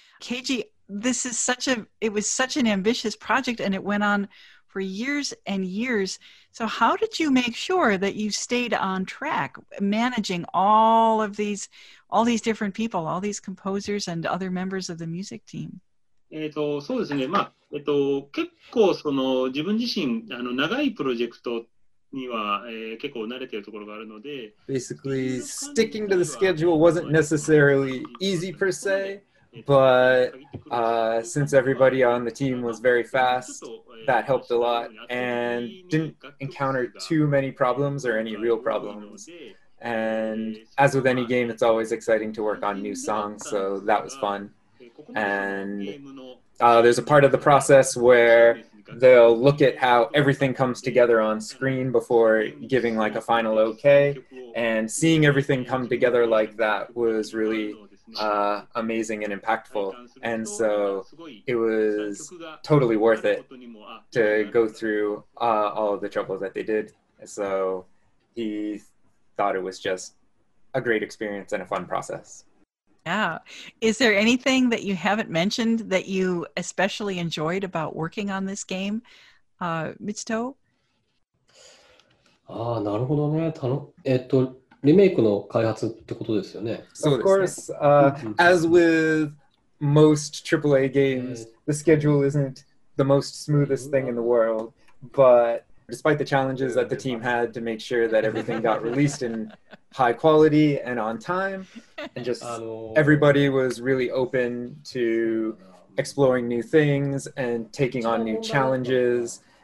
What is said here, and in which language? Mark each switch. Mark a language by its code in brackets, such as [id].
[en] Keiji, this is such an ambitious project, and it went on for years and years. So, how did you make sure that you stayed on track, managing all these different people, all these composers, and other members of the music team? [ja] そうですね。まあ、結構その自分自身あの長いプロジェクトには、結構慣れているところがあるので、 [en] Basically, sticking to the schedule wasn't necessarily easy per se, but since everybody on the team was very fast, that helped a lot and didn't encounter too many problems or any real problems. And as with any game, it's always exciting to work on new songs, so that was fun. And there's a part of the process where they'll look at how everything comes together on screen before giving like a final okay. And seeing everything come together like that was really amazing and impactful. And so it was totally worth it to go through all of the trouble that they did. So he thought it was just a great experience and a fun process. Yeah. Is there anything that you haven't mentioned that you especially enjoyed about working on this game, Mitsuto? [ja] Ah, なるほどね。リメイクの開発ってことですよね。 [en] Of course, as with most AAA games, the schedule isn't the most smoothest thing in the world. But despite the challenges that the team had to make sure that everything got released in high quality and on time, and just everybody was really open to exploring new things and taking on new challenges,